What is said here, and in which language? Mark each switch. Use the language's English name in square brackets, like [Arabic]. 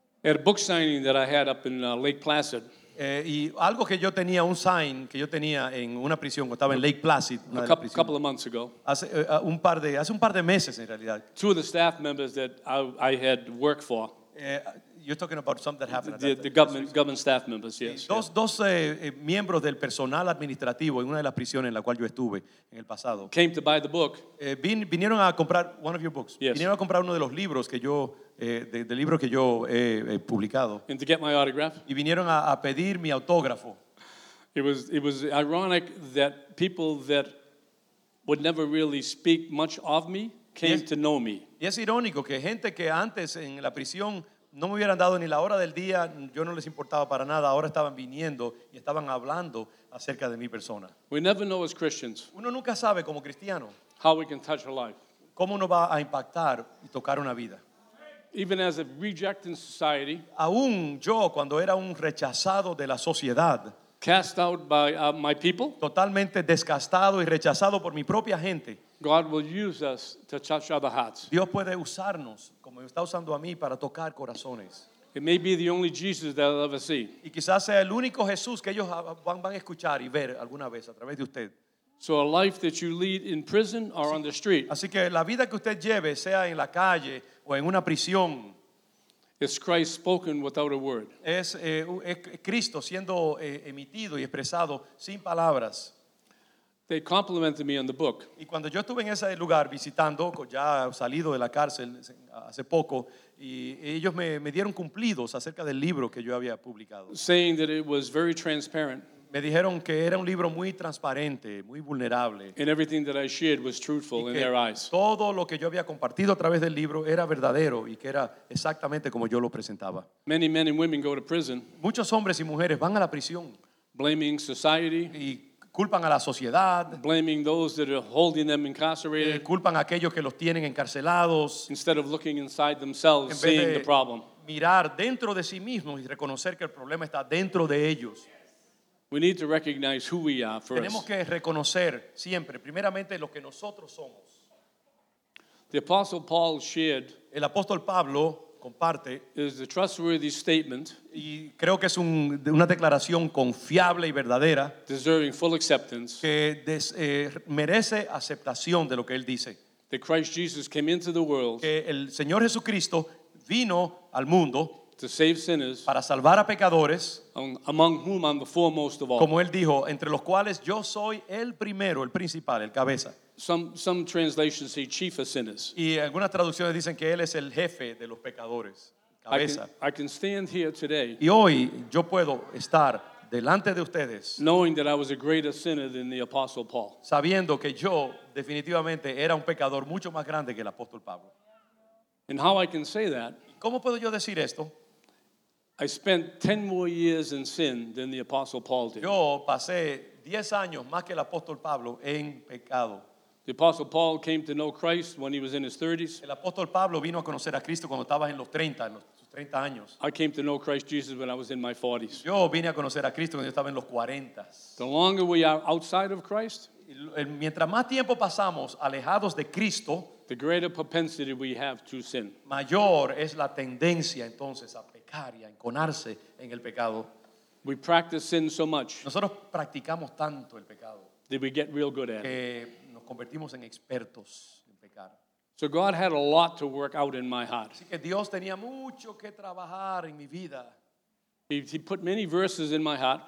[English] At a book signing that I had up in Lake Placid. [Spanish] Y algo que yo tenía, un sign que yo tenía en una prisión, estaba en Lake Placid, una de las prisiones. [English] Couple of months ago. [Spanish] Hace un par de meses en realidad. [English] Two of the staff members that I had worked for. You're talking about something that happened. The government staff members, yes. [Spanish] Dos miembros del personal administrativo en una de las prisiones en la cual yo estuve en el pasado. [English] Came to buy the book. [Spanish] Vinieron a comprar [English] one of your books. Yes. [Spanish] Vinieron a comprar uno de los libros que yo he publicado. [English] And to get my autograph. [Spanish] Y vinieron a pedir mi autógrafo. [English] It was ironic that people that would never really speak much of me came to know me. [Spanish] Y es irónico que gente que antes en la prisión no me hubieran dado ni la hora del día, yo no les importaba para nada. Ahora estaban viniendo y estaban hablando acerca de mi persona. [English] We never know as Christians. [Spanish] Uno nunca sabe como cristiano. [English] How we can touch a life. [Spanish] Cómo uno va a impactar y tocar una vida. [English] Even as a reject in society. [Spanish] Aún yo cuando era un rechazado de la sociedad. [English] cast out by my people. [Spanish] Totalmente desgastado y rechazado por mi propia gente. [English] God will use us to touch other hearts. [Spanish] Dios puede usarnos como está usando a mí para tocar corazones. [English] It may be the only Jesus they'll ever see. [Spanish] Y quizás sea el único Jesús que ellos van a escuchar y ver alguna vez a través de usted. [English] So a life that you lead in prison or on the street. [Spanish] Así que la vida que usted lleve sea en la calle o en una prisión. [English] It's Christ spoken without a word. [Spanish] Es Cristo siendo emitido y expresado sin palabras. [English] They complimented me on the book. [Spanish] Y cuando yo estuve en ese lugar visitando, ya salido de la cárcel hace poco, y ellos me dieron cumplidos acerca del libro que yo había publicado. [English] Saying that it was very transparent. [Spanish] Me dijeron que era un libro muy transparente, muy vulnerable. [English] And everything that I shared was truthful in their eyes. [Spanish] Todo lo que yo había compartido a través del libro era verdadero y que era exactamente como yo lo presentaba. [English] Many men and women go to prison. [Spanish] Muchos hombres y mujeres van a la prisión. [English] Blaming society. [Spanish] Y culpan a la sociedad. [English] Blaming those that are holding them incarcerated. [Spanish] Culpan a aquellos que los tienen encarcelados. [English] Instead of looking inside themselves, seeing the problem. [Spanish] Mirar dentro de sí mismos y reconocer que el problema está dentro de ellos. [English] We need to recognize who we are first. [Spanish] Tenemos que reconocer siempre, primeramente, lo que nosotros somos. [English] The Apostle Paul shared. [Spanish] El apóstol Pablo comparte. [English] Is a trustworthy statement. [Spanish] Y creo que es una declaración confiable y verdadera. [English] Deserving full acceptance. [Spanish] Que merece aceptación de lo que él dice. [English] That Christ Jesus came into the world. [Spanish] Que el Señor Jesucristo vino al mundo. [English] To save sinners, [Spanish] para salvar a pecadores, [English] among whom I'm the foremost of all. [Spanish] Como él dijo, entre los cuales yo soy el primero, el principal, el cabeza. [English] Some translations say chief of sinners. [Spanish] Y algunas traducciones dicen que él es el jefe de los pecadores, cabeza. [English] I can stand here today. [Spanish] Y hoy yo puedo estar delante de ustedes. [English] Knowing that I was a greater sinner than the Apostle Paul. [Spanish] Sabiendo que yo definitivamente era un pecador mucho más grande que el apóstol Pablo. [English] And how I can say that? [Spanish] ¿Cómo puedo yo decir esto? [English] I spent 10 more years in sin than the Apostle Paul did. [Spanish] Yo pasé 10 años más que el apóstol Pablo en pecado. [English] The Apostle Paul came to know Christ when he was in his 30s. [Spanish] El apóstol Pablo vino a conocer a Cristo cuando estaba en los 30, en sus 30 años. [English] I came to know Christ Jesus when I was in my 40s. [Spanish] Yo vine a conocer a Cristo cuando yo estaba en los 40. [English] The longer we are outside of Christ, [Spanish] mientras más tiempo pasamos alejados de Cristo, [English] the greater propensity we have to sin. [Spanish] Mayor es la tendencia entonces a pecar y a enconarse en el pecado. [English] We practice sin so much. [Spanish] Nosotros practicamos tanto el pecado. [English] Did we get real good at it? [Spanish] Que nos convertimos en expertos en pecar. [English] So God had a lot to work out in my heart. [Spanish] Así que Dios tenía mucho que trabajar en mi vida. [English] He put many verses in my heart.